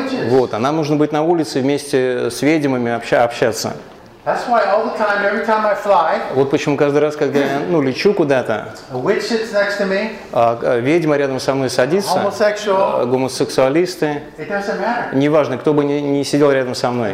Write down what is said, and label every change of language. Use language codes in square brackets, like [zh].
[ru] Вот, а нам нужно быть на улице вместе с ведьмами общаться. [en] That's why all the time, every time I fly. [ru] Вот почему каждый раз, когда я, ну, лечу куда-то. [en] A witch sits next to me. [ru] Ведьма рядом со мной садится. [en] Homosexual. [ru] Гомосексуалисты. [en] It doesn't matter. [ru] Неважно, кто бы ни сидел рядом со мной.